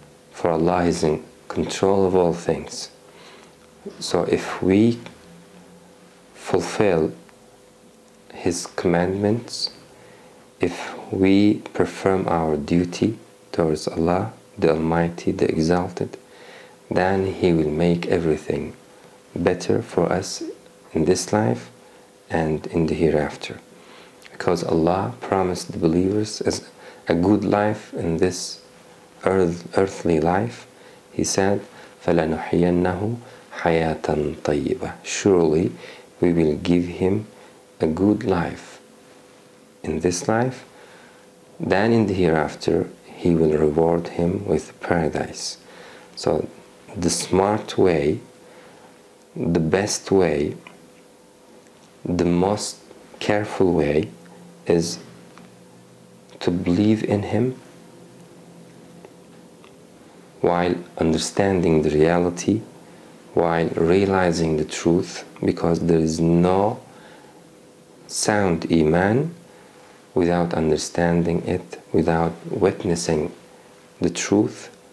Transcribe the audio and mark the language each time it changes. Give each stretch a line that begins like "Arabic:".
English: For Allah is in control of all things. So if we fulfill His commandments, if we perform our duty towards Allah, the Almighty, the Exalted, then He will make everything better for us in this life and in the hereafter. Because Allah promised the believers as a good life in this earthly life.
Arabic: He said, فَلَنُحْيَنَّهُ حَيَاةً طَيِّبَةً.
English: Surely we will give him a good life in this life. Then in the hereafter, He will reward him with paradise. So the smart way, the best way, the most careful way is to believe in Him while understanding the reality, while realizing the truth, because there is no sound iman without understanding it, without witnessing the truth.